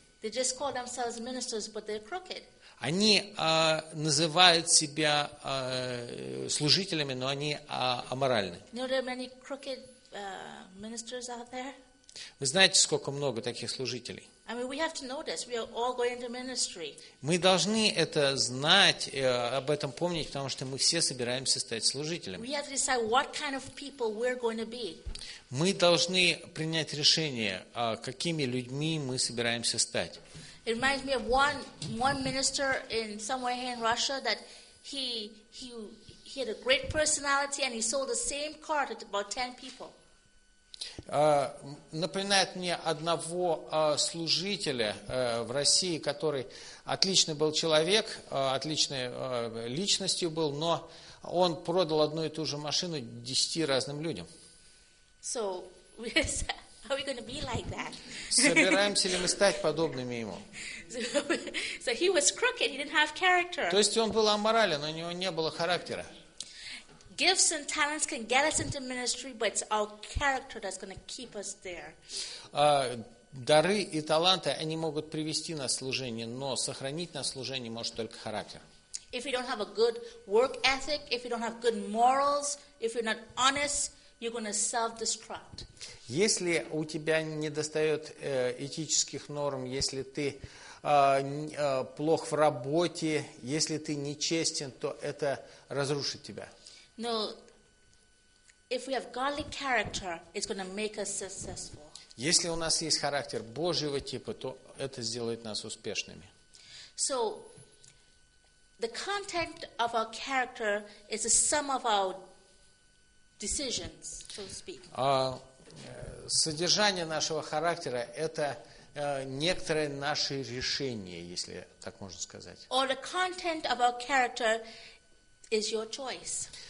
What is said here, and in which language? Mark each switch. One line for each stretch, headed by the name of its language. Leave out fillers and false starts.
English: They just call themselves ministers, but they're crooked.
Russian: Они называют себя служителями, но они аморальны.
English: You know, there are many crooked ministers out there.
Russian: Вы знаете, сколько много таких служителей?
English: I mean, we have to know this. We are all going to ministry.
Russian: Мы должны это знать, об этом помнить, потому что мы все собираемся стать служителями.
English: We have to decide what kind of people we're going to be.
Russian: Мы должны принять решение, какими людьми мы собираемся стать.
English: It reminds me of one minister in somewhere here in Russia that he had a great personality and he sold the same car to about 10 people.
Russian: Напоминает мне одного служителя в России, который отличный был человек, отличной личностью был, но он продал одну и ту же машину 10 разным людям.
English: So, are we going to be like that?
Russian: Собираемся ли мы стать подобными ему?
English: So he was crooked, he didn't have character.
Russian: То есть он был аморален, у него не было характера.
English: Gifts and talents can get us into ministry, but it's our character that's going to keep us there.
Russian: Дары и таланты, они могут привести нас в служение, но сохранить нас в служении может только характер.
English: If you don't have a good work ethic, if you don't have good morals, if you're not honest, you're going to self-destruct.
Russian: Если у тебя недостает этических норм, если ты плох в работе, если ты нечестен, то это разрушит тебя.
English: No, if we have godly character, it's going to make us successful.
Russian: Если у нас есть характер Божьего типа, то это сделает нас успешными.
English: So, the content of our character is the sum of our decisions, so to speak.
Russian: Содержание нашего характера – это некоторые наши решения, если так можно сказать.
English: Or the content of our character is your choice.